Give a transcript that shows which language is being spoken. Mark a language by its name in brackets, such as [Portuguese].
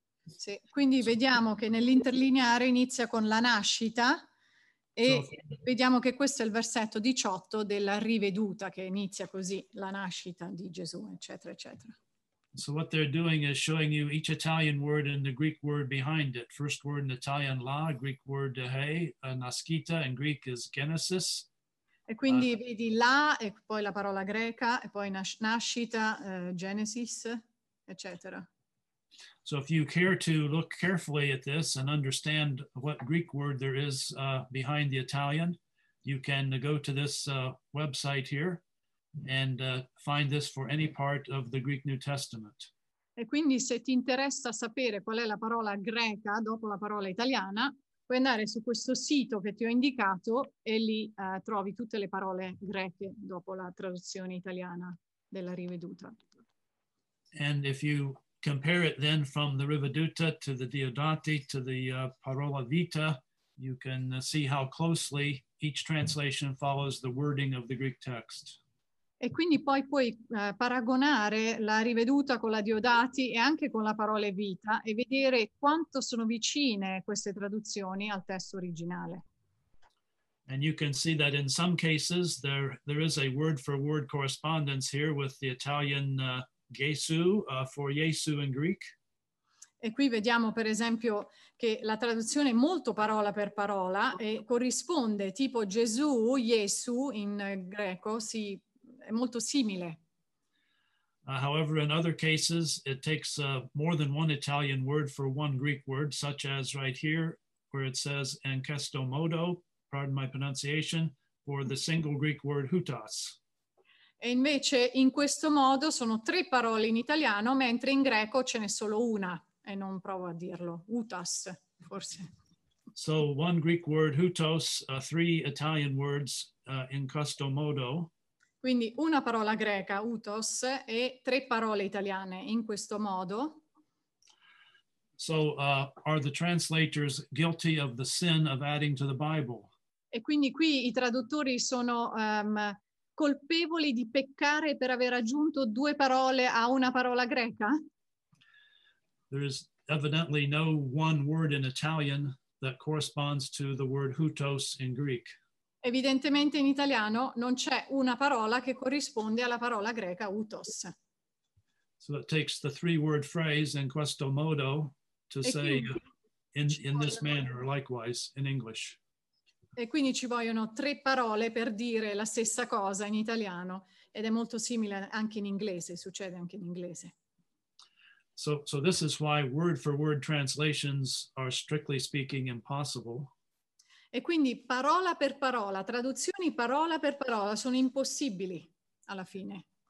[Italian] Sì, quindi vediamo che nell'interlineare inizia con la nascita e vediamo che questo è il versetto 18 della riveduta che inizia così, la nascita di Gesù, eccetera, eccetera. [English] So what they're doing is showing you each Italian word and the Greek word behind it. First word in Italian la, Greek word hey, nascita in Greek is Genesis. [Italian] E quindi vedi là e poi la parola greca e poi nascita, Genesis, eccetera. [English] So if you care to look carefully at this and understand what Greek word there is behind the Italian, you can go to this website here and find this for any part of the Greek New Testament. [Italian] E quindi se ti interessa sapere qual è la parola greca dopo la parola italiana, puoi andare su questo sito che ti ho indicato e lì trovi tutte le parole greche dopo la traduzione italiana della riveduta. [English] And if you compare it then from the riveduta to the Diodati to the parola vita, you can see how closely each translation follows the wording of the Greek text. [Italian] E quindi poi puoi paragonare la riveduta con la Diodati e anche con la parola vita e vedere quanto sono vicine queste traduzioni al testo originale. [English] And you can see that in some cases there is a word for word correspondence here with the Italian Gesù for Gesù in Greek. [Italian] E qui vediamo per esempio che la traduzione è molto parola per parola e corrisponde tipo Gesù, Gesù in greco, sì. È molto simile. [English] However, in other cases, it takes more than one Italian word for one Greek word, such as right here, where it says [Italian] en questo modo, [English] pardon my pronunciation, for the single Greek word houtos. [Italian] E invece, in questo modo, sono tre parole in italiano, mentre in greco ce n'è solo una, e non provo a dirlo, houtos, forse. [English] So, one Greek word houtos, three Italian words [Italian] en questo modo. Quindi una parola greca, utos, e tre parole italiane, in questo modo. [English] So, are the translators guilty of the sin of adding to the Bible? [Italian] E quindi qui i traduttori sono colpevoli di peccare per aver aggiunto due parole a una parola greca? [English] There is evidently no one word in Italian that corresponds to the word utos in Greek. [Italian] Evidentemente in italiano non c'è una parola che corrisponde alla parola greca utos. [English] So it takes the three word phrase [Italian] in questo modo [English] to say in this manner, likewise in English. [Italian] E quindi ci vogliono tre parole per dire la stessa cosa in italiano ed è molto simile anche in inglese, succede anche in inglese. [English] So this is why word for word translations are strictly speaking impossible. [Italian] E quindi parola per parola, traduzioni parola per parola sono impossibili alla fine.